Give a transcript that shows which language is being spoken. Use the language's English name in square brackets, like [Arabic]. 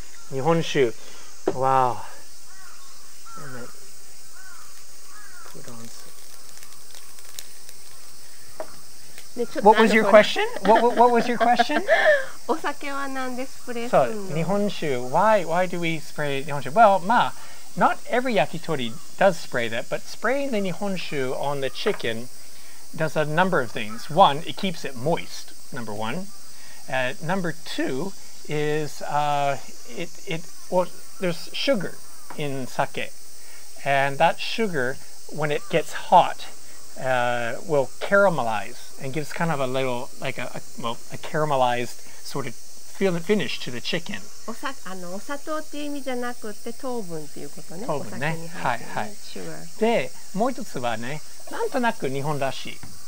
[Japanese] 日本酒。わあ。 [English] What was your question? What was your question? [Japanese] お酒はなんでスプレーするの？ [English] So, 日本酒。Why do we spray 日本酒? Well, まあ、not every yakitori does spray that, but spraying the 日本酒 on the chicken does a number of things. One, it keeps it moist, number one. Number two is there's sugar in sake. And that sugar, when it gets hot,will caramelize and gives kind of a little like a caramelized sort of feel and finish to the chicken. [Japanese] お砂糖っていう意味じゃなくて糖分っていうことね。糖分ね。はいはい。でもう一つはね、なんとなく日本らしい。